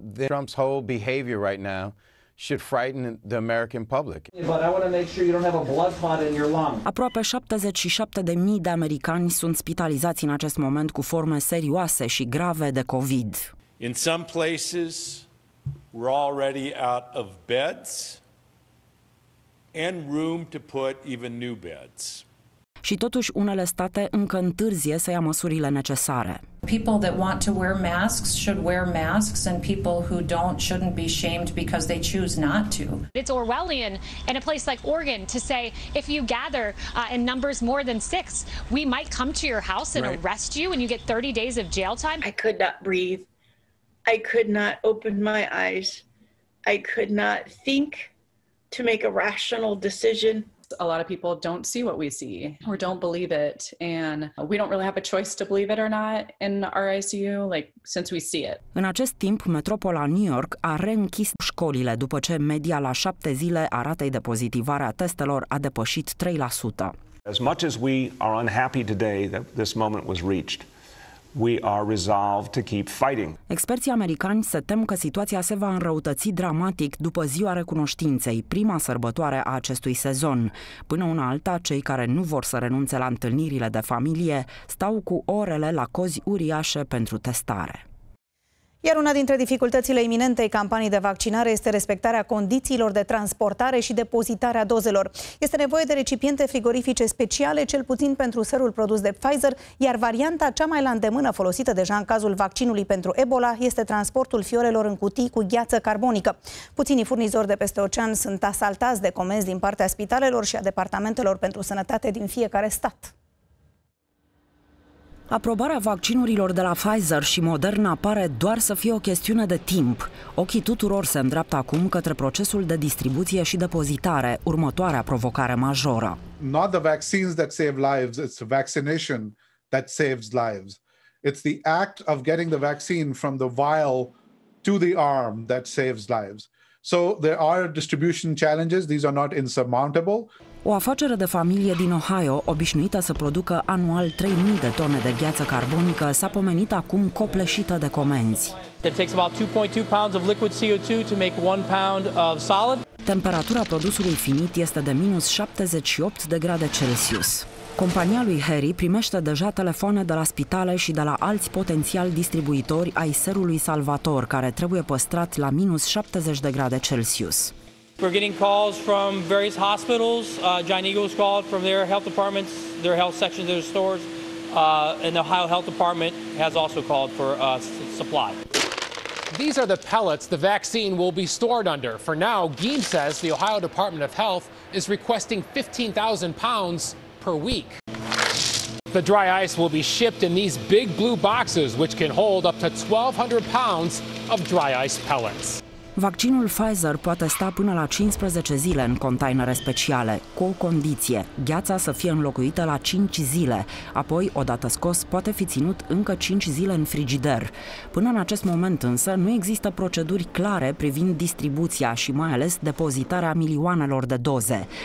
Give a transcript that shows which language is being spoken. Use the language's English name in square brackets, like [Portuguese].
[English] Trump's whole behavior right now should frighten the American public. But I want to make sure you don't have a blood clot in your lung. [Romanian] Aproape 77.000 de americani sunt spitalizați în acest moment cu forme serioase și grave de COVID. [English] In some places, we're already out of beds and room to put even new beds. [Romanian] Și totuși unele state încă întârzie să ia măsurile necesare. [English] People that want to wear masks should wear masks, and people who don't shouldn't be shamed because they choose not to. It's Orwellian in a place like Oregon to say if you gather in numbers more than 6, we might come to your house and arrest you and you get 30 days of jail time. I could not breathe. I could not open my eyes. I could not think to make a rational decision. A lot of people don't see what we see or don't believe it, and we don't really have a choice to believe it or not in our ICU, like, since we see it. [Romanian] În acest timp, metropola New York a reînchis școlile după ce media la 7 zile a ratei de pozitivare a testelor a depășit 3%. [English] As much as we are unhappy today that this moment was reached, we are resolved to keep fighting. [Romanian] Experții americani se tem că situația se va înrăutăți dramatic după ziua recunoștinței, prima sărbătoare a acestui sezon. Până una alta, cei care nu vor să renunțe la întâlnirile de familie stau cu orele la cozi uriașe pentru testare. Iar una dintre dificultățile iminentei campanii de vaccinare este respectarea condițiilor de transportare și depozitare a dozelor. Este nevoie de recipiente frigorifice speciale, cel puțin pentru serul produs de Pfizer, iar varianta cea mai la îndemână folosită deja în cazul vaccinului pentru Ebola este transportul fiorelor în cutii cu gheață carbonică. Puținii furnizori de peste ocean sunt asaltați de comenzi din partea spitalelor și a departamentelor pentru sănătate din fiecare stat. Aprobarea vaccinurilor de la Pfizer și Moderna pare doar să fie o chestiune de timp. Ochii tuturor se îndreaptă acum către procesul de distribuție și depozitare, următoarea provocare majoră. [English] Not the vaccines that save lives, it's vaccination that saves lives. It's the act of getting the vaccine from the vial to the arm that saves lives. So there are distribution challenges, these are not insurmountable. [Romanian] O afacere de familie din Ohio, obișnuită să producă anual 3.000 de tone de gheață carbonică, s-a pomenit acum copleșită de comenzi. [English] It takes about 2.2 pounds of liquid CO2 to make 1 pound of solid. [Romanian] Temperatura produsului finit este de minus 78 de grade Celsius. Compania lui Harry primește deja telefoane de la spitale și de la alți potențiali distribuitori ai serului Salvator, care trebuie păstrat la minus 70 de grade Celsius. [English] We're getting calls from various hospitals. Giant Eagle's called from their health departments, their health sections, their stores. And the Ohio Health Department has also called for supply. These are the pellets the vaccine will be stored under. For now, Geen says the Ohio Department of Health is requesting 15,000 pounds per week. The dry ice will be shipped in these big blue boxes, which can hold up to 1,200 pounds of dry ice pellets. [Romanian] Vaccinul Pfizer poate sta până la 15 zile în containere speciale, cu o condiție, gheața să fie înlocuită la 5 zile, apoi, odată scos, poate fi ținut încă 5 zile în frigider. Până în acest moment însă, nu există proceduri clare privind distribuția și mai ales depozitarea milioanelor de doze.